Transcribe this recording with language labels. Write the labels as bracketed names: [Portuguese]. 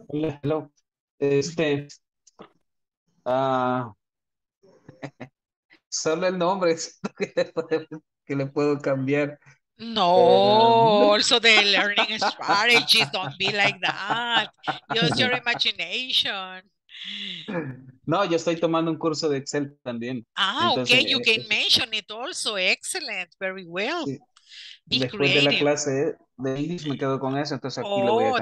[Spanish] Hola, hello. Solo el nombre que le puedo cambiar. [English] No, also the learning strategies, don't be like that. Use your imagination. [Spanish] No, yo estoy tomando un curso de Excel también. [English] Ah, entonces, okay, you can mention it also. Excellent, very well. [Spanish] Sí. Después de la clase de English me quedo con eso, entonces aquí lo voy a cambiar.